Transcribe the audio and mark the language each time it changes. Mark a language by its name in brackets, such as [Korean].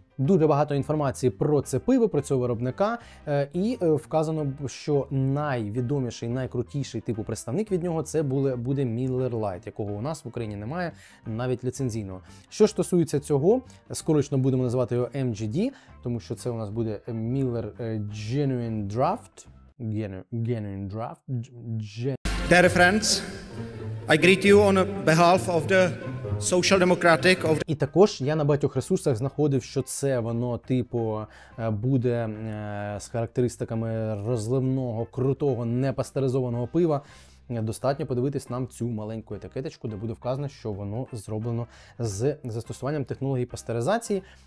[Ukrainian] Дуже багато інформації про це пиво, про цього виробника, і вказано, що найвідоміший, найкрутіший типу представник від нього це буде Miller Lite, якого у нас в Україні немає, навіть ліцензійного. Що стосується цього, скорочно будемо називати його MGD, тому що це у нас буде Miller Genuine Draft. Genuine Draft. [English] Dear friends, I greet you on behalf of the Social Democratic. [Ukrainian] І також я на багатьох ресурсах знаходив, що це воно, типу, буде з характеристиками розливного, крутого, непастеризованого пива. Достатньо подивитись нам цю маленьку етикеточку, де буде вказано, що воно зроблено з застосуванням технології пастеризації.